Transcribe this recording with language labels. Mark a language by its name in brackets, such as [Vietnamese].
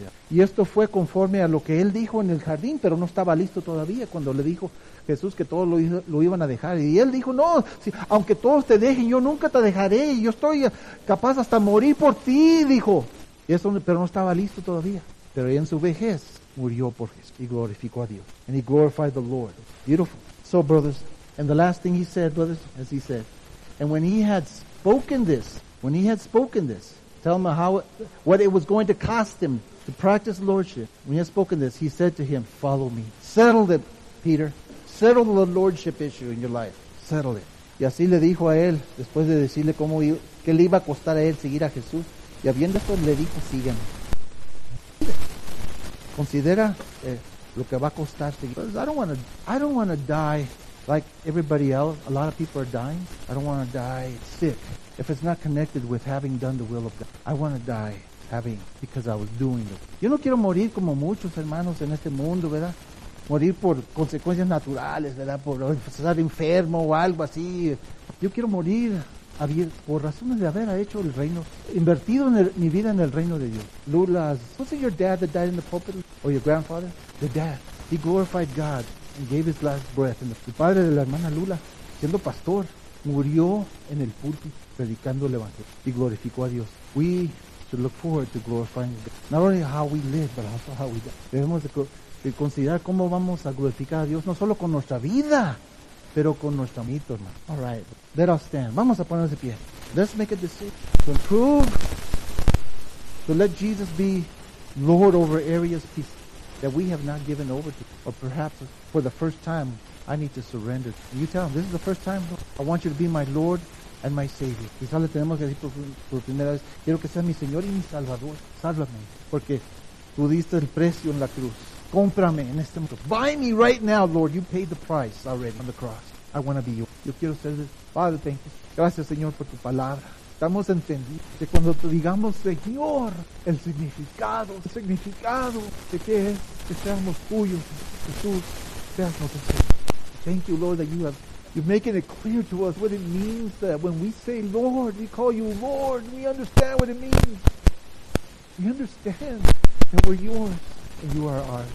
[Spanish] Y esto fue conforme a lo que él dijo en el jardín, pero no estaba listo todavía cuando le dijo Jesús que todos lo iban a dejar. Y él dijo, no, si, aunque todos te dejen, yo nunca te dejaré. Yo estoy capaz hasta morir por ti, dijo. Y eso, pero no estaba listo todavía. Pero en su vejez murió por Jesús y glorificó a Dios. [English] And he glorified the Lord. Beautiful. So, brothers, and the last thing he said, brothers, as he said, and when he had spoken this, tell him what it was going to cost him to practice lordship. When he had spoken this, he said to him, follow me. Settle it, Peter. Settle the lordship issue in your life. Settle it. [Spanish] Y así le dijo a él, después de decirle cómo que le iba a costar a él seguir a Jesús. Y habiendo esto, le dijo, sígueme. Considera lo que va a costar seguir. [English] I don't want to die like everybody else. A lot of people are dying. I don't want to die sick. If it's not connected with having done the will of God, I want to die having, because I was doing it. [Spanish] Yo no quiero morir como muchos hermanos en este mundo, ¿verdad? Morir por consecuencias naturales, ¿verdad? Por estar enfermo o algo así. Yo quiero morir por razones de haber hecho el reino, invertido mi vida en el reino de Dios. [English] Lula's, was it your dad that died in the pulpit? Or your grandfather? The dad. He glorified God and gave his last breath. And [Spanish] the padre de la hermana Lula, siendo pastor, murió en el púlpito predicando el evangelio y glorificó a Dios. [English] We should look forward to glorifying God. Not only how we live, but also how we die. [Spanish] Debemos de considerar cómo vamos a glorificar a Dios, no solo con nuestra vida, pero con nuestro mito, hermano. [English] All right, let us stand. [Spanish] Vamos a ponernos de pie. [English] Let's make a decision to improve, to let Jesus be Lord over areas, peace, that we have not given over to. Or perhaps for the first time, I need to surrender. You tell him, this is the first time I want you to be my Lord and my Savior. [Spanish] Quizás le tenemos que decir por primera vez, quiero que seas mi Señor y mi Salvador. Sálvame. Porque tú diste el precio en la cruz. Cómprame en este momento. [English] Buy me right now, Lord. You paid the price already on the cross. I want to be yours. [Spanish] Yo quiero ser el [English] Padre, thank you. [Spanish] Gracias, Señor, por tu palabra. Estamos entendidos que cuando te digamos Señor, el significado de que es que seamos tuyos, Jesús, seas nuestro Señor. [English] Thank you, Lord, that you're making it clear to us what it means that when we say, Lord, we call you Lord, we understand what it means. We understand that we're yours and you are ours.